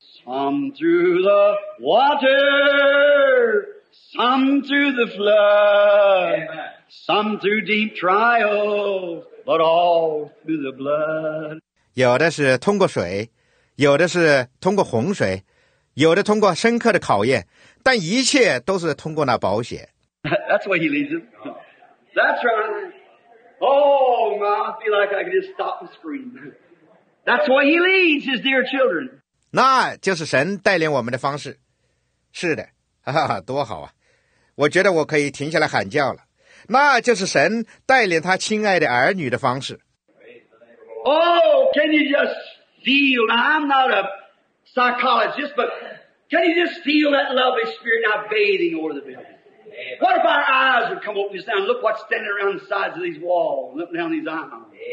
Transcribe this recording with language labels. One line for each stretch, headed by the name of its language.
English: Some through the water, some through the flood, some through deep trials, but all through the blood.
Chinese: 有的是通过水，有的是通过洪水，有的通过深刻的考验，但一切都是通过那宝血。
English: That's what he leads him. That's right. Oh, my, I feel like I could just stop and scream. That's why he leads his dear children.
Chinese: 那就是神带领我们的方式。是的，哈哈，多好啊！我觉得我可以停下来喊叫了。那就是神带领他亲爱的儿女的方式。
English: Oh, can you just feel? Now, I'm not a psychologist, but can you just feel that lovely spirit now bathing over the building? What if our eyes would come open just now and look what's standing around the sides of these walls, looking down these aisles?